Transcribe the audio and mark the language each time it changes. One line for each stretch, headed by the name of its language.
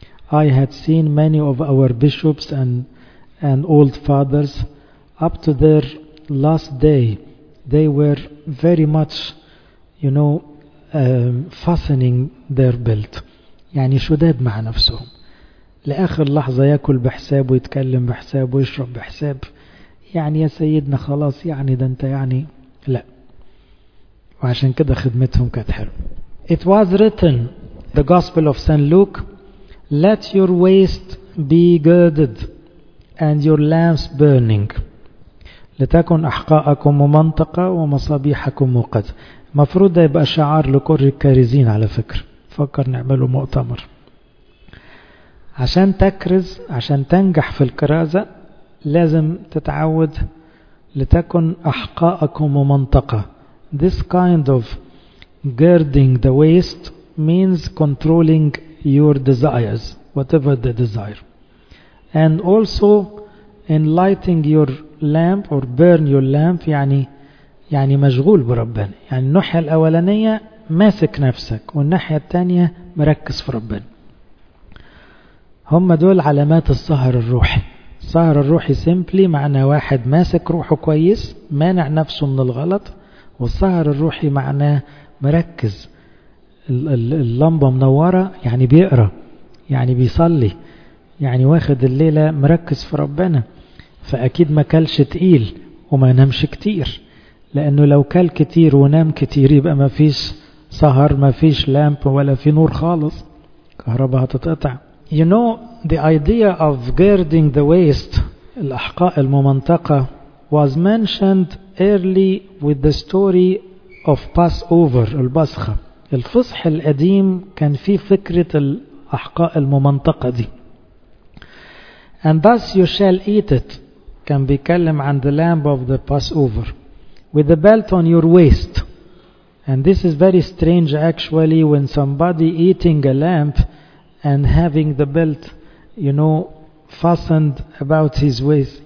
English: I had seen many of our bishops and old fathers up to their last day. They were very much, you know, fastening their belt.
Arabic: يعني شداد مع نفسهم. لآخر لحظة يأكل بحساب ويتكلم بحساب ويشرب بحساب. يعني يا سيدنا خلاص يعني ده انت يعني لا. وعشان كده خدمتهم كانت حلوة. It was written, the Gospel of St. Luke, let your waist be girded and your lamps burning. لتكن أحقاءكم ممنطقة ومصابيحكم موقدة. مفروض ده يبقى شعار لكل الكارزين على فكرة. فكر نعمله مؤتمر. عشان تكرز, عشان تنجح في الكرازة لازم تتعود لتكن أحقاءكم ممنطقة.
English: This kind of girding the waist means controlling your desires, whatever the desire. And also enlightening your lamp or burn your lamp,
Arabic: يعني مشغول بربنا. يعني النحية الأولانية ماسك نفسك والناحية التانية مركز في ربنا. هم دول علامات السهر الروحي. السهر الروحي simply معنى واحد ماسك روحه كويس, مانع نفسه من الغلط. والسهر الروحي معناه مركز, اللمبة منورة, يعني بيقرأ, يعني بيصلي, يعني واخد الليلة مركز في ربنا. فأكيد ما كلش تقيل وما نامش كتير, لأنه لو كل كتير ونام كتير يبقى ما فيش سهر, ما فيش لامب ولا في نور خالص, كهربا هتتقطع.
English: You know the idea of girding the waist,
Arabic: الأحقاء الممنطقة,
English: was mentioned early with the story of Passover, البسخة.
Arabic: الفصح القديم كان فيه فكرة الأحقاء الممنطقة دي.
English: And thus you shall eat it,
Arabic: كان بيكلم عن
English: the lamb of the Passover, with the belt on your waist. And this is very strange actually, when somebody eating a lamb and having the belt, you know, fastened about his waist.